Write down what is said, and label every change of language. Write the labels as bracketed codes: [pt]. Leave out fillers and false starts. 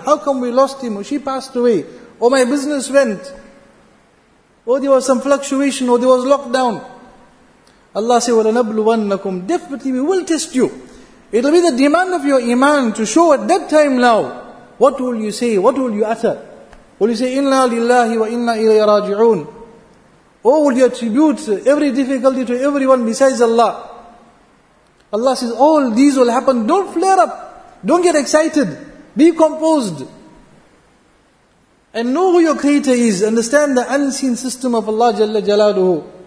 [en] How come we lost him? Or she passed away? Or my business went? Or there was some fluctuation? Or there was lockdown? Allah says, [ar] وَلَنَبْلُوَنَّكُمْ. [en] Definitely we will test you. It will be the demand of your iman to show at that time now, what will you say? What will you utter? Will you say, [ar] إِنَّا لِلَّهِ وَإِنَّا إِلَيْهِ رَاجِعُونَ? [en] Or will you attribute every difficulty to everyone besides Allah? Allah says, all these will happen. Don't flare up. Don't get excited. Be composed. And know who your creator is. Understand the unseen system of Allah Jalla Jalaluhu.